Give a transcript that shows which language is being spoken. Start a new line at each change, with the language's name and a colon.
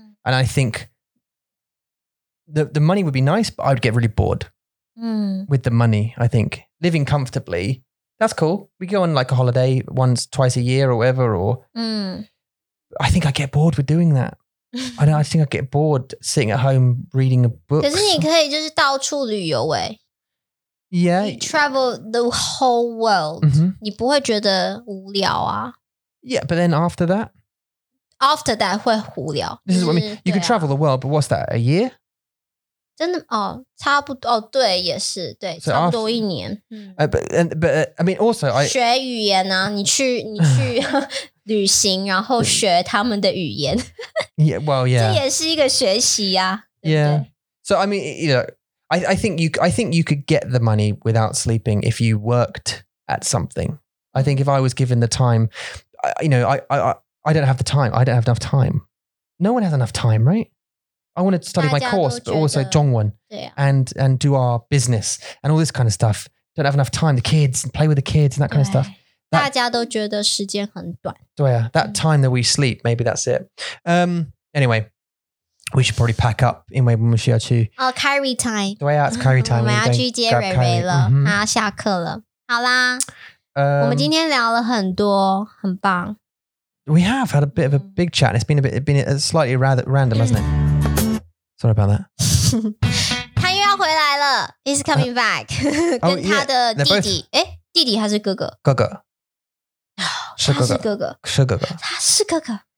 English: And I think the money would be nice, but I'd get really bored with the money, I think. Living comfortably, that's cool. We go on like a holiday once, twice a year or whatever, or I think I get bored with doing that. I don't know, I think I get bored sitting at home reading a book.
Chinese: 可是你可以就是到处旅游欸。
English: Yeah. You travel the whole world.、 Mm-hmm.
Chinese: 你不会觉得无聊啊。
English: Yeah, but then after that? After that
Chinese: 会无聊。
English: This is what I mean. You can travel the world, but what's that, a year?
Chinese: 真的哦差不多哦对也是对、
English: so、
Chinese: 差不多一年。
English: But I mean also,
Chinese: 学语言啊你去旅行然后学他们的语言。
English: Yeah, well, yeah.
Chinese: 这也是一个学习啊。
English: Yeah. So, I mean, you know, I think you could get the money without sleeping if you worked at something. I think if I was given the time, I don't have the time. I don't have enough time. No one has enough time, right? I want to study my course, but also 中文 and do our business and all this kind of stuff. Don't have enough time. The kids, play with the kids and that kind of stuff.
Chinese: That, 大家都觉得时间很短。对啊
English: ,that time that we sleep, maybe that's it. Anyway, we should probably pack up,
Chinese: 因为我们需要去。
English: 哦 ,Kyrie time.
Chinese: 对啊
English: ,it's Kyrie time.
Chinese: 我们要去接蕊蕊了她、下课了。好啦、我们今天聊了很多很棒。
English: We have had a bit of a big chat. It's been a bit, it's been a slightly rather random, hasn't it? Sorry about that.
Chinese: 她又要回来了 ,
English: he's coming back.
Chinese: 跟她的弟弟。诶弟弟还是哥哥？哥哥，是哥哥，哥哥是哥哥，他是哥哥。